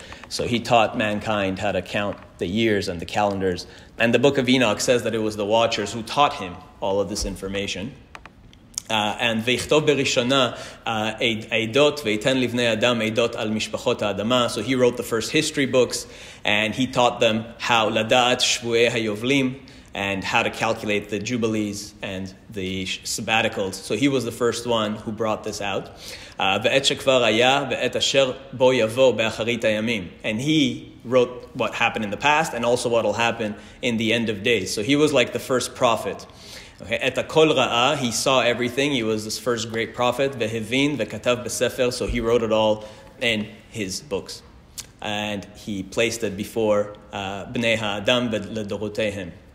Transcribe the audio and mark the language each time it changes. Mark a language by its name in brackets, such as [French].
[English] So he taught mankind how to count the years and the calendars. And the Book of Enoch says that it was the watchers who taught him all of this information. [Hebrew] And ויכתוב בראשונה עדות ויתן לבני אדם עדות על משפחות האדמה. [English] So he wrote the first history books and he taught them how [Hebrew] לדעת שבועי היובלים [English] and how to calculate the jubilees and the sabbaticals. So he was the first one who brought this out. [Hebrew] ועת שכבר היה ועת אשר בו יבוא באחרית הימים. [English] And he wrote what happened in the past and also what will happen in the end of days. So he was like the first prophet. Okay, [Hebrew] et hakol ra'a, [English] he saw everything. He was this first great prophet. [Hebrew] Ve'hevin ve'katav b'sefer, [English] so he wrote it all in his books. And he placed it before [Hebrew] Bnei Ha'adam ve'ledorotehem.